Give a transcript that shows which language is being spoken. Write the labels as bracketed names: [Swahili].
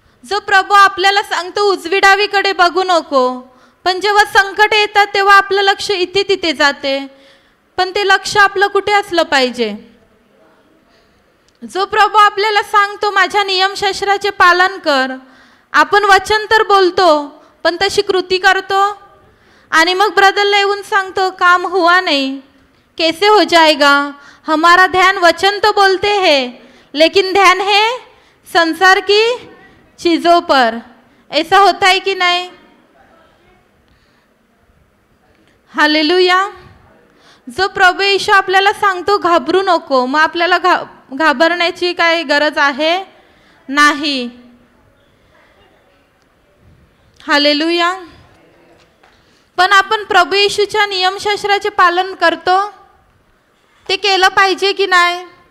[Marathi] जो प्रभू आपल्याला सांगतो उजवी डावीकडे बघू नको, पण जेव्हा संकट येतात तेव्हा आपलं लक्ष इथे तिथे जाते, पण ते लक्ष आपलं कुठे असलं पाहिजे? जो प्रभू आपल्याला सांगतो माझ्या नियमशास्त्राचे पालन कर, आपण वचन तर बोलतो पण तशी कृती करतो? आणि मग ब्रदरला येऊन सांगतो [Hindi] काम हुआ [Marathi] नाही, [Hindi] कैसे हो जाएगा? हमारा ध्यान वचन तो बोलते हैं, लेकिन ध्यान है संसार की चीजों पर, ऐसा होता है कि नहीं? हालेलुया। [Marathi] जो प्रभु यीशु आपल्याला सांगतो घाबरू नको, मग आपल्याला घाबरण्याची काय गरज आहे? नाही। हालेलुया। पण आपण प्रभु येशूच्या नियमशास्त्राचे पालन करतो ते केलं पाहिजे की नाही?